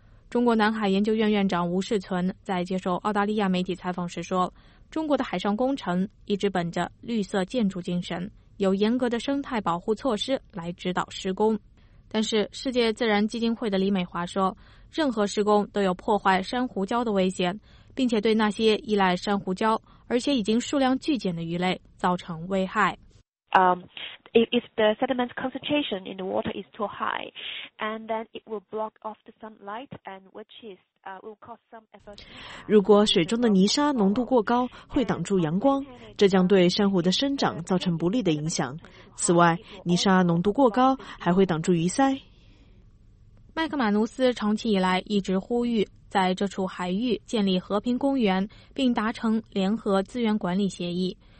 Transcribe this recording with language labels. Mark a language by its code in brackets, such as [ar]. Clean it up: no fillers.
[zh] 中国南海研究院院长吴世存在接受澳大利亚媒体采访时说，中国的海上工程一直本着绿色建筑精神，有严格的生态保护措施来指导施工。但是世界自然基金会的李美华说，任何施工都有破坏珊瑚礁的危险，并且对那些依赖珊瑚礁而且已经数量巨减的鱼类造成危害。 [en] If the sediment concentration in the water is too high, and then it will block off the sunlight, and which is will cause some effort. [zh] 如果水中的泥沙浓度过高，会挡住阳光，这将对珊瑚的生长造成不利的影响。此外，泥沙浓度过高还会挡住鱼鳃。麦克马努斯长期以来一直呼吁在这处海域建立和平公园，并达成联合资源管理协议。